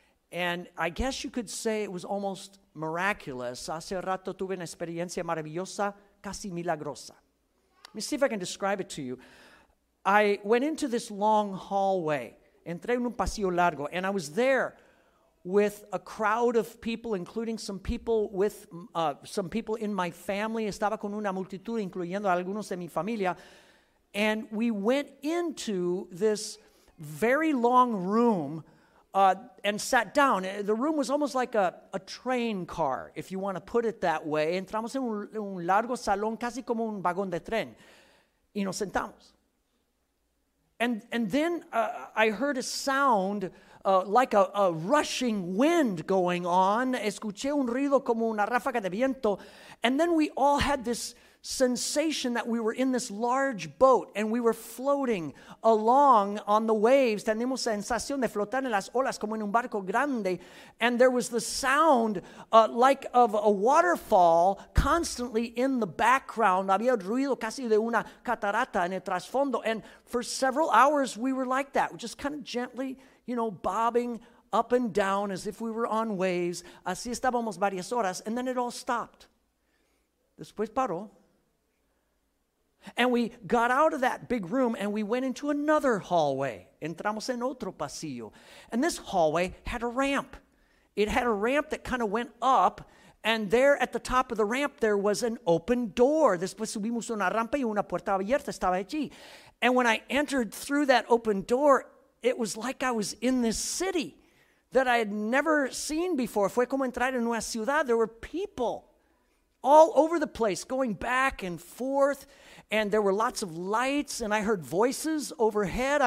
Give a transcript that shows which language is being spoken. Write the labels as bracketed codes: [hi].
[en] And I guess you could say it was almost miraculous. [es] Hace rato tuve una experiencia maravillosa, casi milagrosa. [en] Let me see if I can describe it to you. I went into this long hallway. [es] Entré en un pasillo largo. [en] And I was there with a crowd of people, including some people with some people in my family. [es] Estaba con una multitud, incluyendo algunos de mi familia. [en] And we went into this very long room and sat down. The room was almost like a train car, if you want to put it that way. [es] Entramos en un largo salón, casi como un vagón de tren. Y nos sentamos. [en] And then I heard a sound like a rushing wind going on. [es] Escuché un ruido como una ráfaga de viento. [en] And then we all had this sensation that we were in this large boat and we were floating along on the waves. [es] Tenemos la sensación de flotar en las olas como en un barco grande. [en] And there was the sound like of a waterfall constantly in the background. [es] Había ruido casi de una catarata en el trasfondo. [en] And for several hours we were like that, just kind of gently, you know, bobbing up and down as if we were on waves. [es] Así estábamos varias horas. [en] And then it all stopped. [es] Después paró. [en] And we got out of that big room and we went into another hallway. [es] Entramos en otro pasillo. [en] And this hallway had a ramp. It had a ramp that kind of went up. And there at the top of the ramp, there was an open door. [es] Después subimos una rampa y una puerta abierta estaba allí. [en] And when I entered through that open door, it was like I was in this city that I had never seen before. [es] Fue como entrar en una ciudad. [en] There were people all over the place going back and forth. And there were lots of lights, and I heard voices overhead.